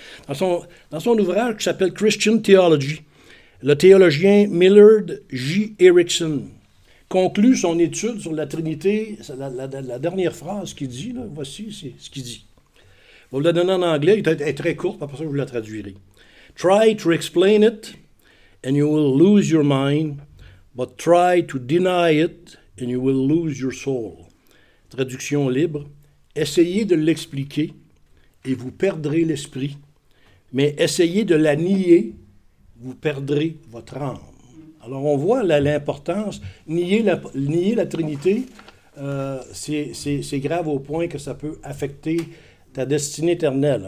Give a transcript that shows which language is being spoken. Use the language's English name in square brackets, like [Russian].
[French] Dans son ouvrage qui s'appelle « Christian Theology », le théologien Millard J. Erickson conclut son étude sur la Trinité, la dernière phrase qu'il dit, là, voici c'est ce qu'il dit. Je vais vous la donner en anglais, elle est très courte, après ça je vous la traduirai. [English] « Try to explain it, and you will lose your mind, but try to deny it, and you will lose your soul. » [French] Traduction libre. « Essayez de l'expliquer, et vous perdrez l'esprit, mais essayez de la nier, vous perdrez votre âme. » Alors on voit l'importance, nier la Trinité, c'est grave au point que ça peut affecter ta destinée éternelle.